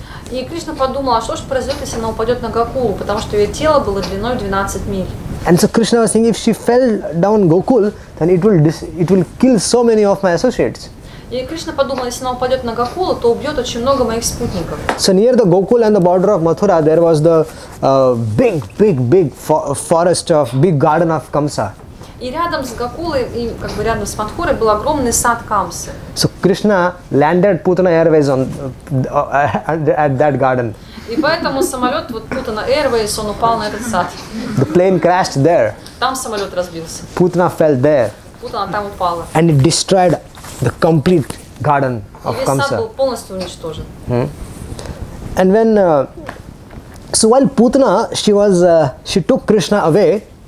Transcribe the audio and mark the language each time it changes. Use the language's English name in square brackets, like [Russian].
[Russian] И Кришна подумала, что ж произойдет, если она упадет на Гокулу, потому что ее тело было длиной 12 миль. [English] And so Krishna was thinking, if she fell down Gokul, then it will kill so many of my associates. [Russian] И Кришна подумала, если она упадет на Гокулу, то убьет очень много моих спутников. [English] So near the Gokul and the border of Mathura, there was the big forest of, big garden of Kamsa. [Russian] И рядом с Гокулой, и как бы рядом с Мадхурой, был огромный сад Камсы. [English] So Krishna landed Putana Airways on at that garden. [Russian] И поэтому самолет вот Putana Airways, он упал на этот сад. [English] The plane crashed there. [Russian] Там самолет разбился. [English] Putana fell there. [Russian] Putana там упала. [English] And it destroyed the complete garden of Kamsa. [Russian] И весь сад был полностью уничтожен. [English] And when so while Putana she took Krishna away.